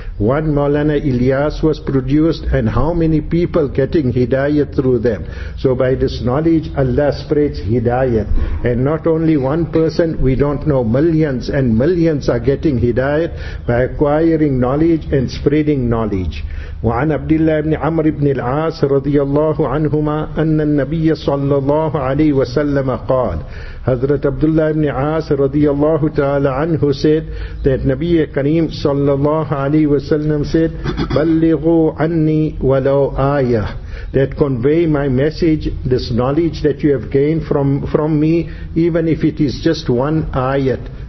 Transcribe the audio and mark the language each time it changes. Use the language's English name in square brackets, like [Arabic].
[English] One Maulana Ilyas was produced, and how many people getting hidayat through them? So by this knowledge, Allah spreads hidayat. And not only one person, we don't know, millions and millions are getting hidayat by acquiring knowledge and spreading knowledge. [Arabic] وعن عبد الله بن عمر بن العاص رضي الله عنهما أن النبي صلى الله عليه وسلم قال. [English] Hazrat Abdullah ibn As radiyallahu ta'ala anhu said that Nabiya Kareem sallallahu alayhi wa sallam said, [Arabic] بَلِّغُوا عَنِّي وَلَوْ آيَةً, [English] that convey my message, this knowledge that you have gained from me, even if it is just one ayat.